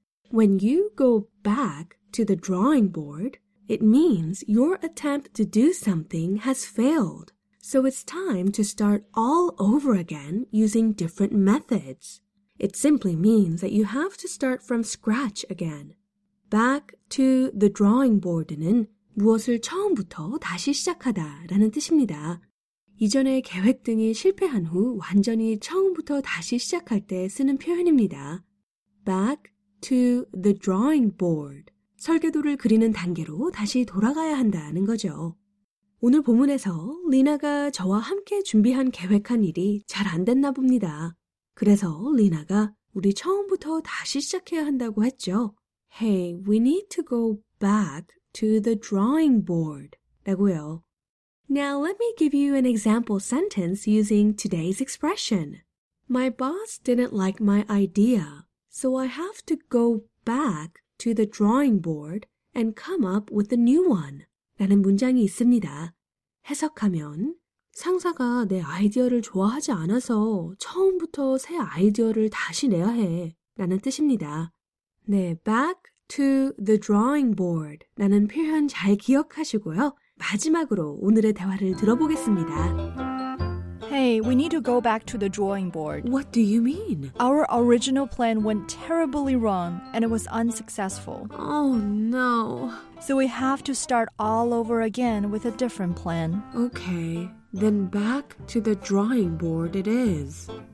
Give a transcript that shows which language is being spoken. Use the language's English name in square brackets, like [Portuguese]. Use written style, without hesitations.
[English] When you go back to the drawing board, it means your attempt to do something has failed. So it's time to start all over again using different methods. It simply means that you have to start from scratch again. [Korean] Back to the drawing board는 무엇을 처음부터 다시 시작하다 라는 뜻입니다. 이전의 계획 등이 실패한 후 완전히 처음부터 다시 시작할 때 쓰는 표현입니다. [English] Back to the drawing board. [Korean] 설계도를 그리는 단계로 다시 돌아가야 한다는 거죠. 오늘 본문에서 리나가 저와 함께 준비한 계획한 일이 잘 안 됐나 봅니다. 그래서 리나가 우리 처음부터 다시 시작해야 한다고 했죠. [English] Hey, we need to go back to the drawing board. [Korean] 라고요. [English] Now let me give you an example sentence using today's expression. My boss didn't like my idea, so I have to go back to the drawing board and come up with a new one. [Korean] 라는 문장이 있습니다. 해석하면 상사가 내 아이디어를 좋아하지 않아서 처음부터 새 아이디어를 다시 내야 해 라는 뜻입니다. 네, [English] back to the drawing board [Korean] 라는 표현 잘 기억하시고요. 마지막으로 오늘의 대화를 들어보겠습니다. [English] Hey, we need to go back to the drawing board. What do you mean? Our original plan went terribly wrong, and it was unsuccessful. Oh, no. So we have to start all over again with a different plan. Okay, then back to the drawing board it is.